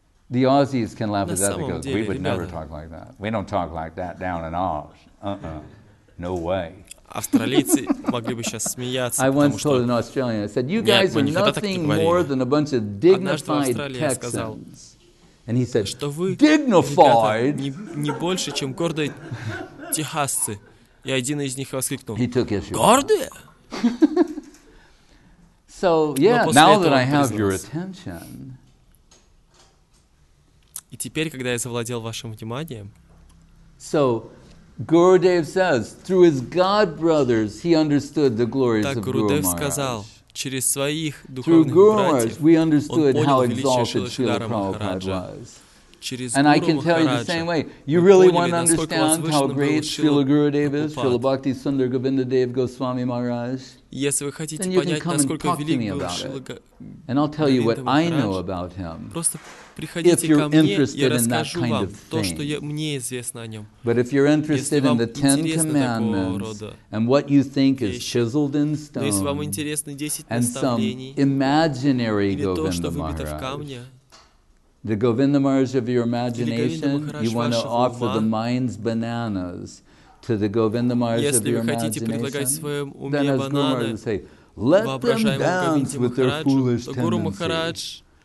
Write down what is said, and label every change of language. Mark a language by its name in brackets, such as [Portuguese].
[English] The Aussies can laugh at that because we would never talk like that. We don't talk like that down in Oz. No way. I once told an Australian, I said, you guys are nothing more than a bunch of dignified Texans. And he said, dignified? [Russian] Не больше, чем гордые техасцы. И один из них воскликнул. [English] He took issue. [Russian] Гордые? [English] So, yeah, now that I have your attention... [Russian] И теперь, когда я завладел вашим вниманием, [English] so, Gurudev says, through his God brothers, he understood the glories of Guru Maharaj. [Russian] Так сказал, через своих духовных братьев, [English] we understood how exalted Srila Prabhupada was. And I can tell you the same way. You really want to understand how great Srila Gurudev is, Srila Bhakti Sundar Govindadev Goswami Maharaj? [Russian] Если вы хотите понять, насколько велик был Шрила [English] And I'll tell you what I know about him. [Russian] Просто приходите ко мне, я расскажу вам то, что мне известно о нем. [English] But if you're interested in the Ten Commandments and what you think is chiseled in stone, [Russian] если вам интересны 10 наставлений, или то, что выбито в камне, [English] the Govinda Maharaj of your imagination, you want to offer the mind's bananas to the Govinda Maharaj of your imagination, then as Guru Maharaj would say, let them dance with their foolish tendency.